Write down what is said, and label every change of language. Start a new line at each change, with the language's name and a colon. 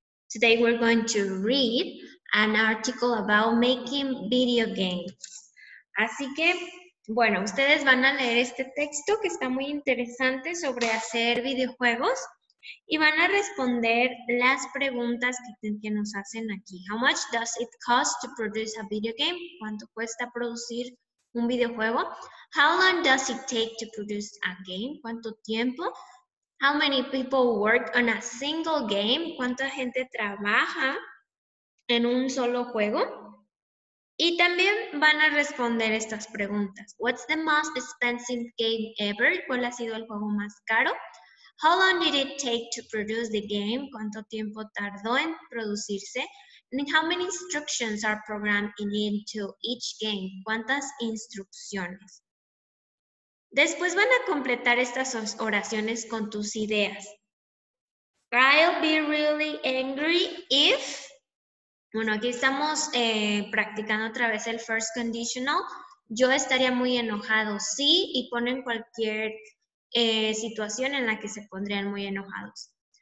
English: Today we're going to read an article about making video games.
Spanish: Así que, bueno, ustedes van a leer este texto que está muy interesante sobre hacer videojuegos y van a responder las preguntas que nos hacen aquí.
English: How much does it cost to produce a video game?
Spanish: ¿Cuánto cuesta producir un videojuego?
English: How long does it take to produce a game?
Spanish: ¿Cuánto tiempo?
English: How many people work on a single game?
Spanish: ¿Cuánta gente trabaja en un solo juego? Y también van a responder estas preguntas.
English: What's the most expensive game ever?
Spanish: ¿Cuál ha sido el juego más caro?
English: How long did it take to produce the game?
Spanish: ¿Cuánto tiempo tardó en producirse?
English: And how many instructions are programmed into each game?
Spanish: ¿Cuántas instrucciones? Después van a completar estas oraciones con tus ideas.
English: I'll be really angry if...
Spanish: Bueno, aquí estamos practicando otra vez el first conditional. Yo estaría muy enojado si, y ponen cualquier situación en la que se pondrían muy enojados.